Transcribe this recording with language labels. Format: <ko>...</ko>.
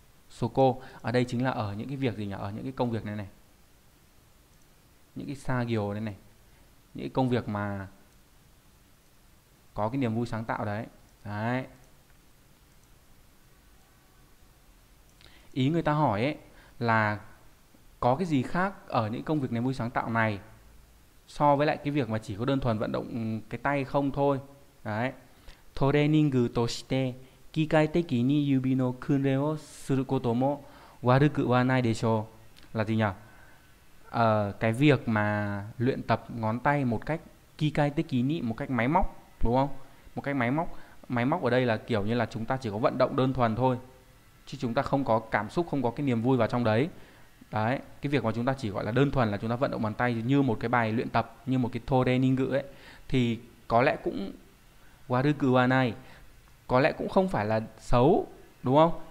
<vi>Soko ở đây chính là ở những cái việc gì nhỉ, ở những cái công việc này này, những cái sagyo này này, những cái công việc mà có cái niềm vui sáng tạo đấy. Đấy, ý người ta hỏi ấy là có cái gì khác ở những công việc niềm vui sáng tạo này so với lại cái việc mà chỉ có đơn thuần vận động cái tay không thôi.</vi> <ja>Đấy, training として機械的に指の訓練をすることも悪くはないでしょう。</ja> <vi>Là gì nhỉ? Cái việc mà luyện tập ngón tay một cách kỳ cai tích ký nhị, một cách máy móc, đúng không? Một cách máy móc ở đây là kiểu như là chúng ta chỉ có vận động đơn thuần thôi, chứ chúng ta không có cảm xúc, không có cái niềm vui vào trong đấy. Đấy, cái việc mà chúng ta chỉ gọi là đơn thuần là chúng ta vận động bàn tay như một cái bài luyện tập, như một cái training ngữ ấy, thì có lẽ cũng waruku này, có lẽ cũng không phải là xấu, đúng không?</vi>